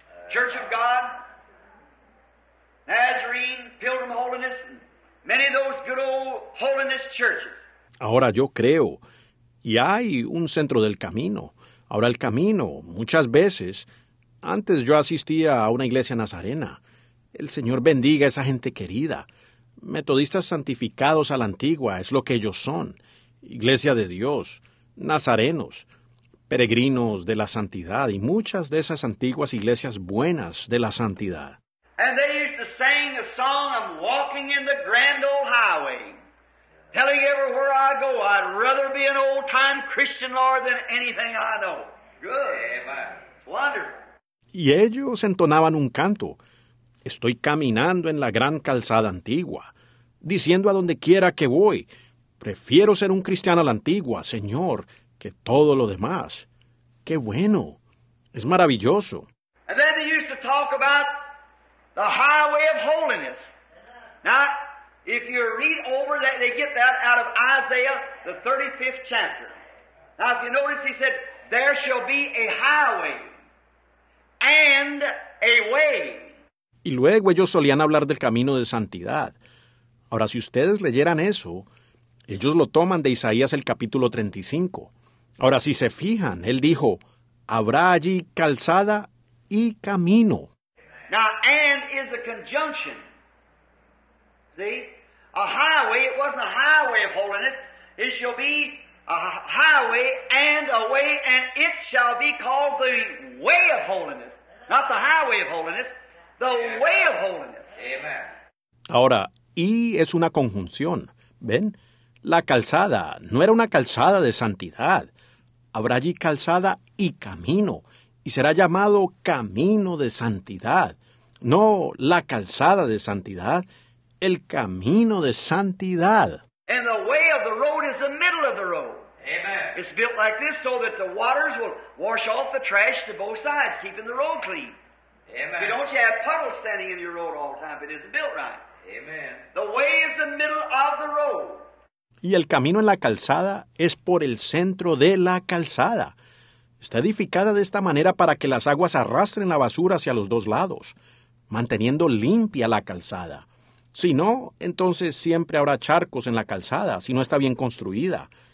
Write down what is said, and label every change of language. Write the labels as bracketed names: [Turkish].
[English] Church of God, Nazarene, Pilgrim Holiness, and many of those good old holiness churches. [Spanish] Ahora yo creo, y hay un centro del camino. Ahora el camino, muchas veces, antes yo asistía a una iglesia nazarena. El Señor bendiga a esa gente querida. Metodistas santificados a la antigua, es lo que ellos son. Iglesia de Dios, nazarenos, peregrinos de la santidad y muchas de esas antiguas iglesias buenas de la santidad. [English] And they used to sing a song, I'm walking in the grand old highway, telling everywhere I go, I'd rather be an old-time Christian Lord than anything I know. Good. Amen. It's wonderful. [Spanish] Y ellos entonaban un canto, estoy caminando en la gran calzada antigua, diciendo a donde quiera que voy, prefiero ser un cristiano a la antigua, Señor, que todo lo demás. ¡Qué bueno! Es maravilloso. [English] And then they used to talk about the highway of holiness. Now, if you read over that, they get that out of Isaiah, the 35th chapter. Now, if you notice, he said, there shall be a highway and a way. [Spanish] Y luego ellos solían hablar del camino de santidad. Ahora, si ustedes leyeran eso, ellos lo toman de Isaías el capítulo 35. Ahora, si se fijan, él dijo, habrá allí calzada y camino. [English] Now, and is a conjunction. See? A highway, it wasn't a highway of holiness. It shall be a highway and a way, and it shall be called the way of holiness. Not the highway of holiness. The way of holiness. Amen. [Spanish] Ahora, y es una conjunción. ¿Ven? La calzada no era una calzada de santidad. Habrá allí calzada y camino. Y será llamado camino de santidad. No la calzada de santidad, el camino de santidad. [English] And the way of the road is the middle of the road. Amen. It's built like this so that the waters will wash off the trash to both sides, keeping the road clean. Amen. You don't have puddles standing in your road all the time, but it isn't built right. Amen. The way is the middle of the road. [Spanish] Y el camino en la calzada es por el centro de la calzada. Está edificada de esta manera para que las aguas arrastren la basura hacia los dos lados, manteniendo limpia la calzada. Si no, entonces siempre habrá charcos en la calzada, si no está bien construida.